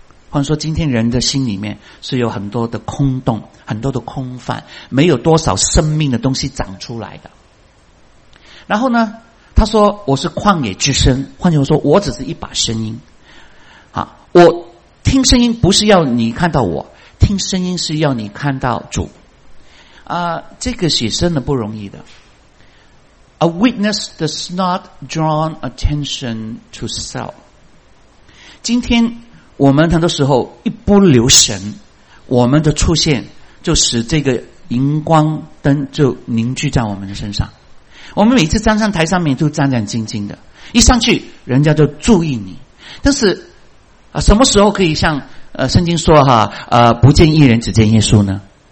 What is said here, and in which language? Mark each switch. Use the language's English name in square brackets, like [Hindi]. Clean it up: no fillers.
[Chinese] 或者说，今天人的心里面是有很多的空洞，很多的空泛，没有多少生命的东西长出来的。然后呢，他说我是旷野之声，换句话说，我只是一把声音。我听声音不是要你看到我，听声音是要你看到主。这个写真的不容易的。 [English] A witness does not draw attention to self。 [Chinese] 今天我们很多时候一不留神，我们的出现就使这个荧光灯就凝聚在我们的身上。我们每次站上台上面都战战兢兢的，一上去人家就注意你。但是什么时候可以像圣经说哈，不见一人只见耶稣呢？